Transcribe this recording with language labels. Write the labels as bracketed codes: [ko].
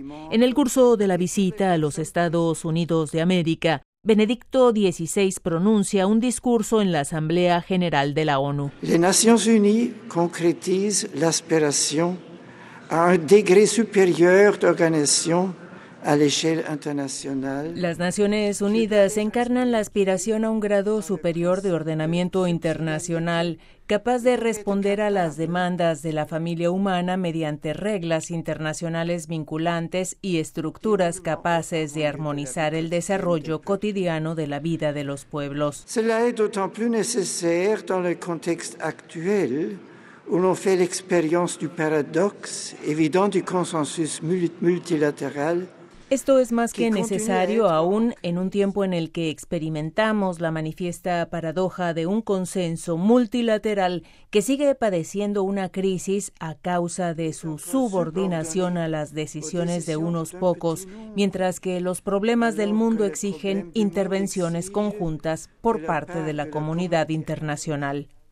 [es] En el curso de la visita a los Estados Unidos de América, Benedicto XVI pronuncia un discurso en la Asamblea General de la ONU. [fr] Les Naciones Unies concrétisent l'aspiration a un degré supérieur d'organisation à l'échelle internationale. [es] Las Naciones Unidas encarnan la aspiración a un grado superior de ordenamiento internacional capaz de responder a las demandas de la familia humana mediante reglas internacionales vinculantes y estructuras capaces de armonizar el desarrollo cotidiano de la vida de los pueblos. [fr] Cela est d'autant plus nécessaire dans le contexte actuel où l'on fait l'expérience du paradoxe évident du consensus multilatéral. [es] Esto es más que necesario aún en un tiempo en el que experimentamos la manifiesta paradoja de un consenso multilateral que sigue padeciendo una crisis a causa de su subordinación a las decisiones de unos pocos, mientras que los problemas del mundo exigen intervenciones conjuntas por parte de la comunidad internacional.